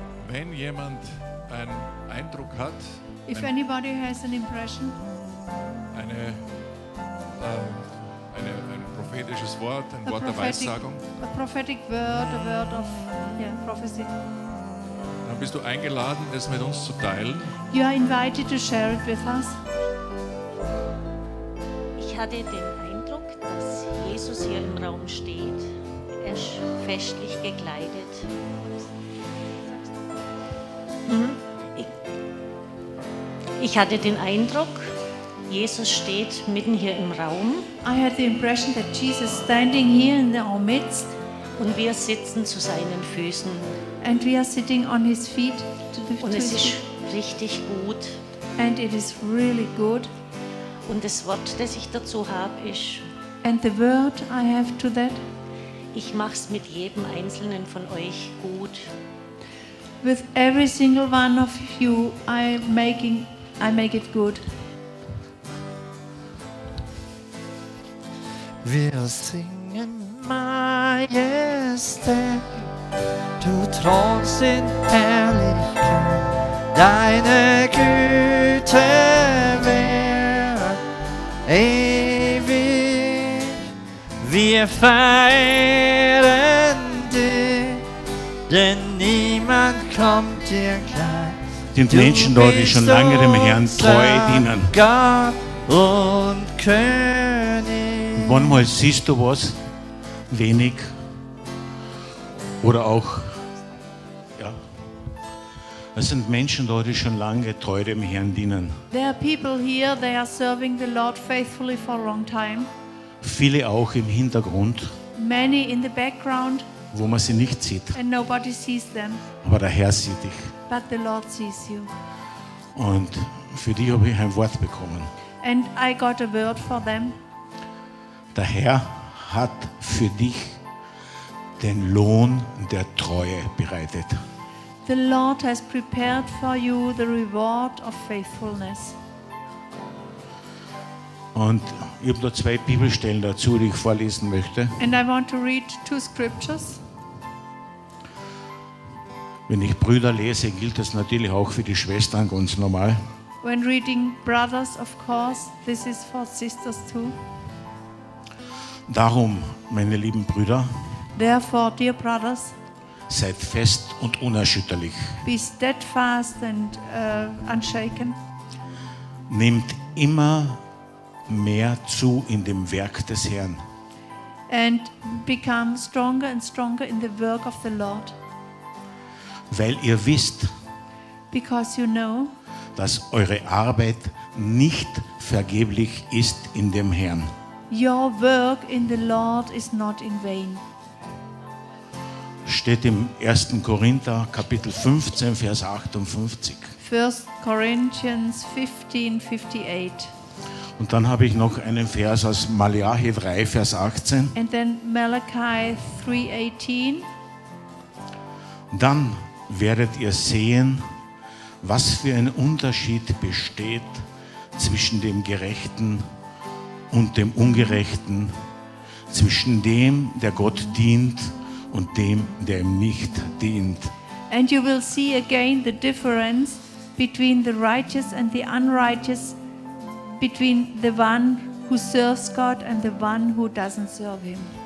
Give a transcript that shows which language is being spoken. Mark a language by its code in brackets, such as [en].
[de] Wenn jemand einen Eindruck hat, ein prophetisches Wort, ein Wort der Weissagung, dann bist du eingeladen, es mit uns zu teilen. [en] You are invited to share it with us. [de] Ich hatte den Eindruck, dass Jesus hier im Raum steht. Er ist festlich gekleidet. Ich hatte den Eindruck, Jesus steht mitten hier im Raum. [en] I had the impression that Jesus is standing here in our midst. [de] Und wir sitzen zu seinen Füßen. [en] And we are sitting on his feet. [de] Und es ist richtig gut. [en] And it is really good. [de] Und das Wort, das ich dazu habe, ist: [en] And the word I have to that. [de] Ich mach's mit jedem einzelnen von euch gut. [en] With every single one of you, I make it good. [de] Wir singen Majestät, du thronst in Herrlichkeit, deine Güte währt ewig. Wir feiern dich, denn niemand kommt dir gleich. Den Menschen dort, die schon lange dem Herrn treu dienen. Gott und König. Wann mal siehst du was wenig oder auch, ja, es sind Menschen dort, die schon lange treu dem Herrn dienen. [en] There are people here, they are serving the Lord faithfully for a long time. [de] Viele auch im Hintergrund. [en] Many in the background. [de] Wo man sie nicht sieht. [en] And nobody sees them. [de] Aber der Herr sieht dich. [en] But the Lord sees you. [de] Und für dich habe ich ein Wort bekommen. [en] And I got a word for them. [de] Der Herr hat für dich den Lohn der Treue bereitet. [en] The Lord has prepared for you the reward of faithfulness. [de] Und ich habe noch zwei Bibelstellen dazu, die ich vorlesen möchte. [en] And I want to read two scriptures. [de] Wenn ich Brüder lese, gilt das natürlich auch für die Schwestern ganz normal. [en] When reading brothers, of course, this is for sisters too. [de] Darum, meine lieben Brüder, [en] therefore, dear brothers, [de] seid fest und unerschütterlich. [en] Be steadfast and unshaken. [de] Nehmt immer mehr zu in dem Werk des Herrn. [en] And become stronger and stronger in the work of the Lord. [de] Weil ihr wisst, [en] because you know, [de] dass eure Arbeit nicht vergeblich ist in dem Herrn. [en] Your work in the Lord is not in vain. [de] Steht im 1. Korinther Kapitel 15, Vers 58. [en] 1. Corinthians 15, 58. [de] Und dann habe ich noch einen Vers aus Malachi 3, Vers 18. [en] And then Malachi 3, 18. [de] Dann werdet ihr sehen, was für ein Unterschied besteht zwischen dem Gerechten und dem Ungerechten, zwischen dem, der Gott dient, und dem, der ihm nicht dient. [en] And you will see again the difference between the righteous and the unrighteous, between the one who serves God and the one who doesn't serve him.